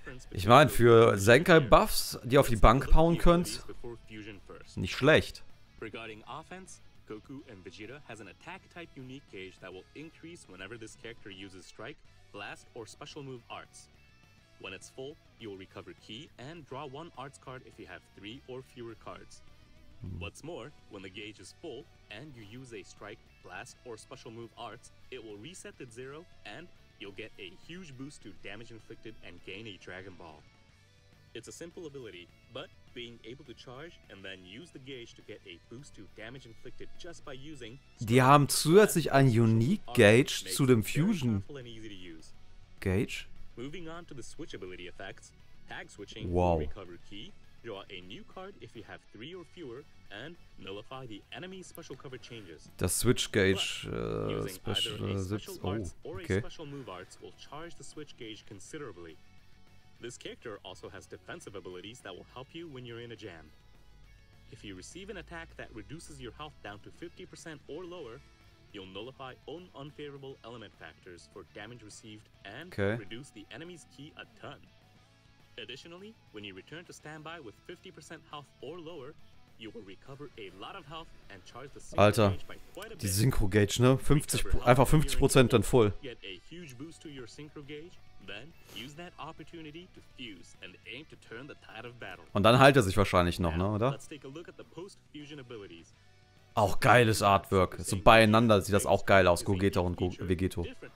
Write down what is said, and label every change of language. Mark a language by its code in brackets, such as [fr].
[de] Ich meine, für Senkai-Buffs, die auf die Bank pauen könnt, nicht schlecht. [en] Regarding offense, Goku and Vegeta has an attack type unique gauge that will increase whenever this character uses strike, blast or special move arts. When it's full, you will recover ki and draw one arts card if you have three or fewer cards. What's more, when the gauge is full and you use a strike, blast or special move arts, it will reset at zero and you'll get a huge boost to damage inflicted and gain a Dragon Ball. It's a simple ability, but being able to charge and then use the gauge to get a boost to damage inflicted just by using... [de] Die haben zusätzlich ein Unique Gauge zu dem Fusion Gauge. [en] Moving on to the switch ability effects, tag switching, wow, recover key, draw a new card if you have three or fewer, and nullify the enemy special cover changes. [de] Das Switch Gauge, special [en] move arts will charge the switch gauge considerably. This character also has defensive abilities that will help you when you're in a jam. If you receive an attack that reduces your health down to 50% or lower, you'll nullify own unfavorable element factors for damage received and reduce the enemy's ki a ton. Additionally, when you return to standby with 50% health or lower, you will recover a lot of health and charge the Synchro Gauge by quite a bit. [de] Die Synchro Gauge, ne? 50, einfach 50% dann voll. [en] Get a huge boost to your Synchro Gauge. Then use that opportunity to fuse and aim to turn the tide of battle. [de] Und dann heilt er sich wahrscheinlich noch, ne, oder? [en] Let's take a look at the post-fusion abilities. [de] Auch geiles Artwork. So beieinander sieht das auch geil aus, Gogeta und Vegeto.